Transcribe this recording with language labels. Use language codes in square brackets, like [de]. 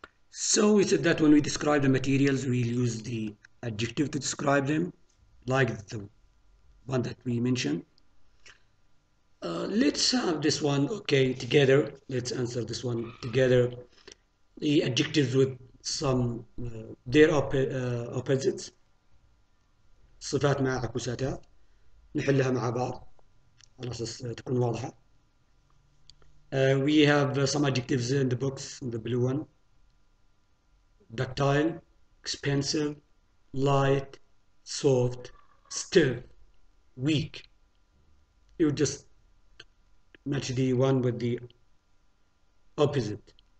[en] So we said that when we describe the materials, we'll use the adjective to describe them, like the one that we mentioned. Let's have this one, okay, together. Let's answer this one together. The adjectives with some their opposites. [ar] صفات مع عكوساتها. نحلها مع بعض على أساس تكون واضحة. [en] We have some adjectives in the box, in the blue one. Ductile, expensive, light, soft, stiff, weak. You just match the one with the opposite.